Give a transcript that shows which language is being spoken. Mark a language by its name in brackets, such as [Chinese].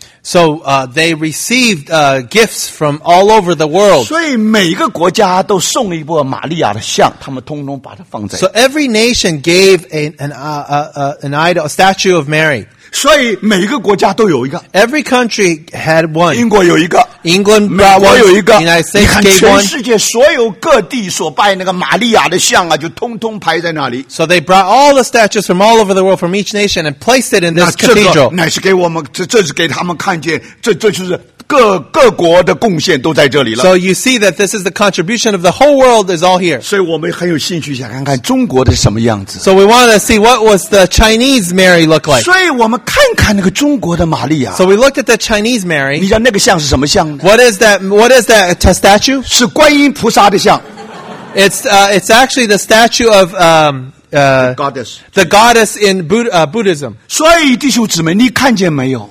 [English] So, they received, gifts from all over the world. [Chinese] 所以每个国家都送了一部玛利亚的像，他们通通把它放在。 [English] So every nation gave an idol, a statue of Mary. [Chinese] 所以每个国家都有一个。 [English] Every country had one. [Chinese] 英国有一个。 [English] England, [Chinese] 美国有一个。 [English] United States gave one. [Chinese] 你看全世界所有各地所拜那个玛利亚的像啊，就通通排在那里。 [English] So they brought all the statues from all over the world from each nation and placed it in this cathedral. [Chinese] 那这个乃是给我们，这是给他们看见，这就是各国的贡献都在这里了。 [English] So you see that this is the contribution of the whole world is all here. [Chinese] 所以我们很有兴趣想看看中国的什么样子。 [English] So we want to see what was the Chinese Mary look like. [Chinese] 所以我们看看那个中国的玛利亚。 [English] So we looked at the Chinese Mary. [Chinese] 你知道那个像是什么像呢？ [English] What is that statue? [Chinese] 是观音菩萨的像。 [English] It's actually the statue of the goddess in Buddhism. [Chinese] 所以弟兄姊妹，你看见没有？